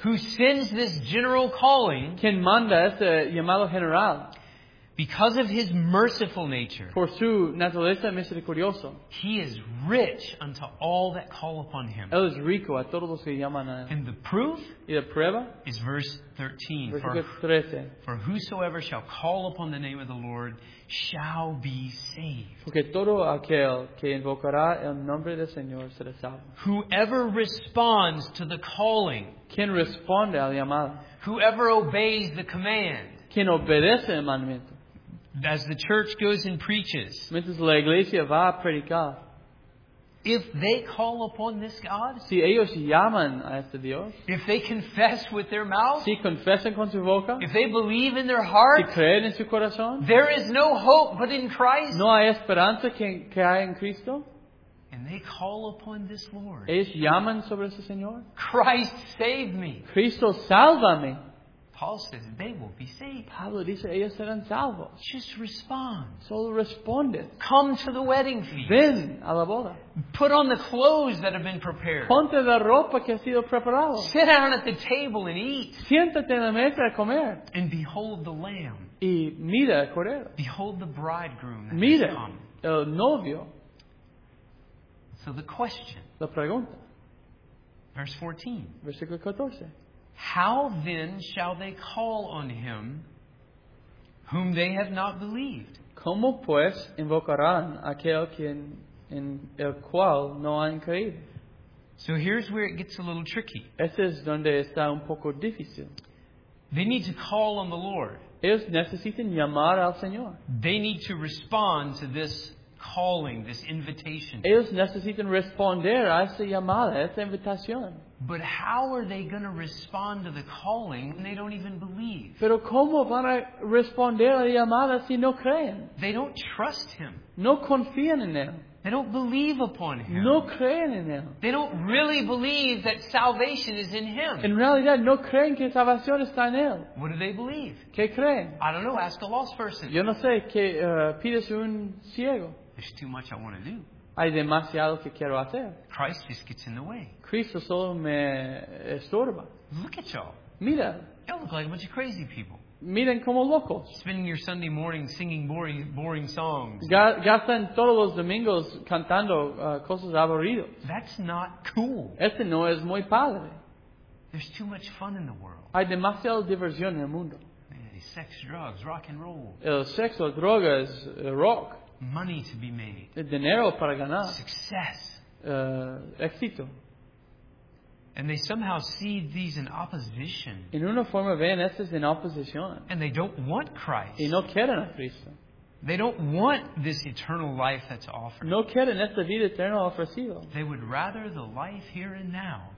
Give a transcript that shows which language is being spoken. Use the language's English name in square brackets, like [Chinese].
[English] who sends this general calling, [Spanish] quien manda este llamado general, [English] because of his merciful nature, [Spanish] por su naturaleza misericordioso, [English] he is rich unto all that call upon him. [Spanish] Él es rico a todos los que llaman a él. [English] And the proof, [Spanish] y la prueba, [English] is verse 13. For whosoever shall call upon the name of the Lord shall be saved. [Spanish] Porque todo aquel que invocará el nombre del Señor será salvo. [English] Whoever responds to the calling, [Spanish] quien responde al llamado, [English] whoever obeys the command, [Spanish] quien obedece el mandamiento, [English] as the church goes and preaches, [Spanish] mientras la iglesia va a predicar, [English] if they call upon this God, [Spanish] si ellos llaman a este Dios, [English] if they confess with their mouth, [Spanish] si confesan con su boca, [English] if they believe in their heart, [Spanish] si creen en su corazón, [English] there is no hope but in Christ. [Spanish] No hay esperanza que hay en Cristo. [English] And they call upon this Lord. [Spanish] Ellos llaman sobre ese Señor. [English] Christ save me. [Spanish] Cristo salva me. [English] Paul says they will be saved. [Spanish] Pablo dice ellos serán salvos. [English] Just respond. [Spanish] Solo responde. [English] Come to the wedding feast. [Spanish] Ven a la boda. [English] Put on the clothes that have been prepared. [Spanish] Ponte la ropa que ha sido preparado. [English] Sit down at the table and eat. [Spanish] Siéntate en la mesa a comer. [English] And behold the lamb. [Spanish] Y mira el cordero. [English] Behold the bridegroom. [Spanish] Mira el novio. [English] So the question. [Spanish] La pregunta. [English] Verse 14. [Spanish] Versículo 14. [English] How then shall they call on him whom they have not believed? [Spanish] ¿Cómo pues invocarán aquel quien en el cual no han creído? [English] So here's where it gets a little tricky. [Spanish] Este es donde está un poco difícil. [English] They need to call on the Lord. [Spanish] Ellos necesitan llamar al Señor. [English] They need to respond to this calling, this invitation. [Spanish] Ellos necesitan responder a esa llamada, a esa invitación. [English] But how are they going to respond to the calling when they don't even believe? [Spanish] Pero cómo van a responder a la llamada si no creen? [English] They don't trust him. [Spanish] No confían en él. [English] They don't believe upon him. [Spanish] No creen en él. [English] They don't really believe that salvation is in him. [Spanish] En realidad, no creen que salvación está en él. [English] What do they believe? [Spanish] ¿Qué creen? [English] I don't know. Ask a lost person. [Spanish] Yo no sé. Que pides un ciego. [English] There's too much I want to do. [Spanish] Hay demasiado que quiero hacer. [English] Christ just gets in the way. [Spanish] Cristo solo me estorba. [English] Look at y'all. [Spanish] Mira, [English] you look like a bunch of crazy people. [Spanish] Miren como locos. [English] Spending your Sunday morning singing boring songs. [Spanish] Gastan todos los domingos cantando cosas aburridas. [English] That's not cool. [Spanish] Este no es muy padre. [English] There's too much fun in the world. [Spanish] Hay demasiada diversión en el mundo. [English] Sex, drugs, rock and roll. [Spanish] El sexo, drogas, rock. [English] Money to be made. [Spanish] El dinero para ganar. [English] Success. [Spanish] Éxito. [English] And they somehow see these in opposition. [Spanish] En una forma ven estas en oposición. [English] And they don't want Christ. [Spanish] Y no quieren a Cristo. [English] They don't want this eternal life that's offered. [Spanish] No quieren esta vida eterna ofrecida. [English] They would rather the life here and now.